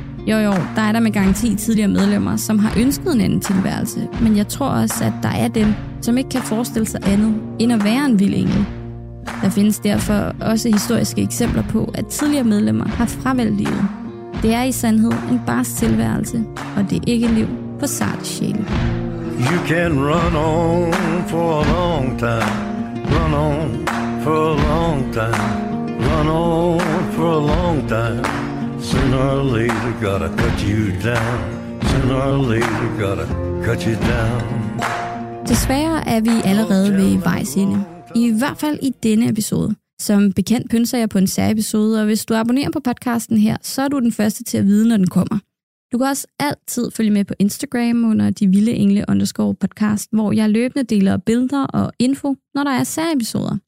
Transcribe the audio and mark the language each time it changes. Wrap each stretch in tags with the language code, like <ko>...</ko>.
<da>Jo, der er der med garanti tidligere medlemmer, som har ønsket en anden tilværelse, men jeg tror også, at der er dem, som ikke kan forestille sig andet end at være en vild engel. Der findes derfor også historiske eksempler på, at tidligere medlemmer har fravalgt livet. Det er i sandhed en barsk tilværelse, og det er ikke et liv for sarte sjæle.</da> <en>You can run on for a long time, run on for a long time, run on for a long time. Sooner or later gotta cut you down, sooner or later gotta cut you down.</en> <da>Desværre er vi allerede ved vejs ende. I hvert fald i denne episode. Som bekendt pynser jeg på en særepisode, og hvis du abonnerer på podcasten her, så er du den første til at vide, når den kommer. Du kan også altid følge med på Instagram under De Vilde Engle _ podcast, hvor jeg løbende deler billeder og info, når der er særepisoder.</da>